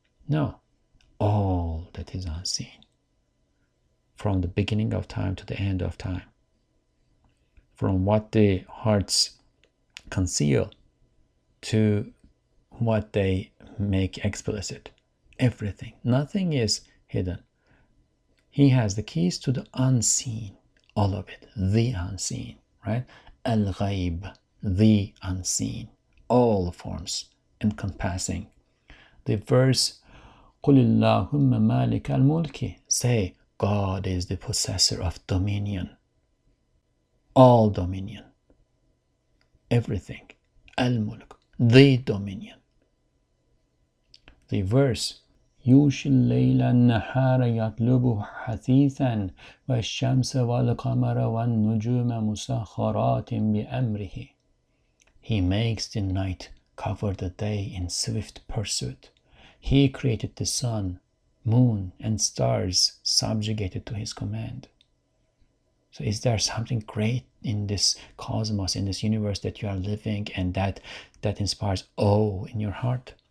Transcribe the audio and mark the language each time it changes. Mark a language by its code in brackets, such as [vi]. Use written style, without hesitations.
[en] No, all that is unseen, from the beginning of time to the end of time, from what the hearts conceal to what they make explicit. Everything. Nothing is hidden. He has the keys to the unseen. All of it. The unseen. Right? Al-Ghaib. The unseen. All forms encompassing. The verse, [ar] قُلِ اللَّهُمَّ مَالِكَ الْمُلْكِ. [en] Say, God is the possessor of dominion. All dominion. Everything. Al-Mulk. The dominion. The verse, [ar] يُوشِ اللَّيْلَ النَّحَارَ يَطْلُبُهُ حَثِيثًا وَالشَّمْسَ وَالْقَمَرَ وَالنُّجُومَ مُسَخَّرَاتٍ بِأَمْرِهِ. [en] He makes the night cover the day in swift pursuit. He created the sun, moon, and stars subjugated to his command. So is there something great in this cosmos, in this universe that you are living and that inspires awe in your heart?